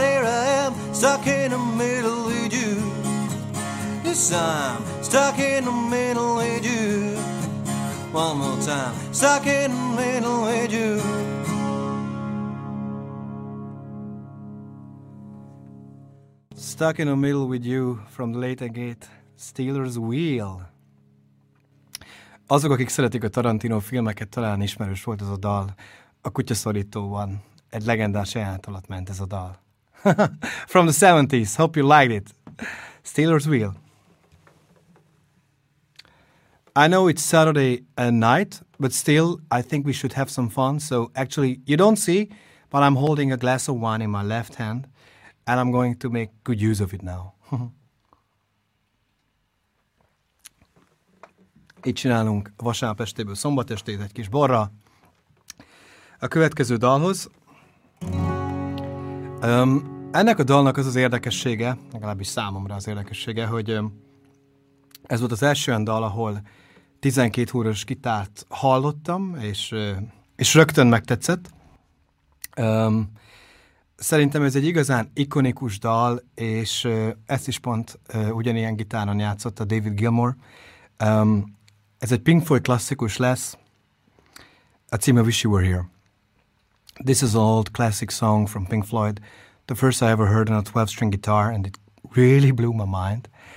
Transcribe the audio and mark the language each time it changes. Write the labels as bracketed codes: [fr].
[en] Here I am, stuck in the middle with you. Yes, I'm stuck in the middle with you. One more time, stuck in the middle with you. Stuck in the middle with you from the late agate, Steeler's Wheel. [hu] Azok, akik szeretik a Tarantino filmeket, talán ismerős volt ez a dal. A kutyaszorítóban egy legendás jelenet alatt ment ez a dal. [en] From the 70s, hope you liked it. Steeler's Wheel. I know it's Saturday night, but still, I think we should have some fun. So actually, you don't see, but I'm holding a glass of wine in my left hand, and I'm going to make good use of it now. [hu] Itt csinálunk vasárnap estéből szombat estét egy kis borra. A következő dalhoz. Ennek a dalnak az az érdekessége, legalábbis számomra az érdekessége, hogy ez volt az első olyan dal, ahol 12 húros gitárt hallottam, és rögtön megtetszett. Szerintem ez egy igazán ikonikus dal, és ezt is pont ugyanilyen gitáron játszott a David Gilmour. Ez egy Pink Floyd klasszikus lesz, a címe Wish You Were Here. [en] This is an old classic song from Pink Floyd, the first I ever heard on a 12-string guitar, and it really blew my mind.